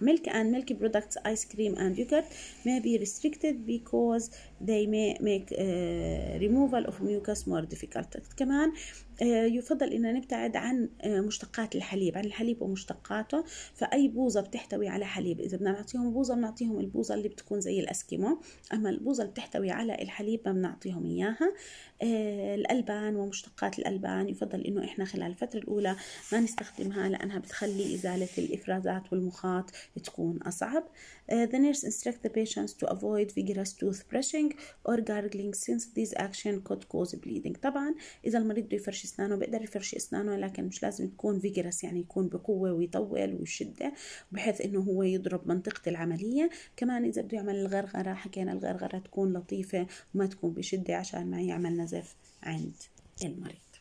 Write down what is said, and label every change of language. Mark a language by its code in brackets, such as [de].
[en] Milk and milk products, ice cream and yogurt may be restricted because they may make removal of mucus more difficult. [ar] كمان يفضل إننا نبتعد عن مشتقات الحليب، عن الحليب ومشتقاته. فأي بوزة بتحتوي على حليب، إذا بدنا نعطيهم بوزة بنعطيهم البوزة اللي بتكون زي الأسكيمو، أما البوزة اللي بتحتوي على الحليب ما بنعطيهم إياها. الألبان ومشتقات الألبان يفضل إنه إحنا خلال الفترة الأولى ما نستخدمها، لأنها بتخلي إزالة الإفرازات والمخاط تكون أصعب. [en] The nurse instructs the patients to avoid vigorous tooth brushing or gargling since these actions could cause bleeding. [ar] طبعا إذا المريض بده يفرش أسنانه بيقدر يفرش أسنانه، لكن مش لازم تكون vigorous، يعني يكون بقوة ويطول ويشده بحيث إنه هو يضرب منطقة العملية. كمان إذا بده يعمل الغرغرة، حكينا الغرغرة تكون لطيفة وما تكون بشدة عشان ما يعمل نزف عند المريض.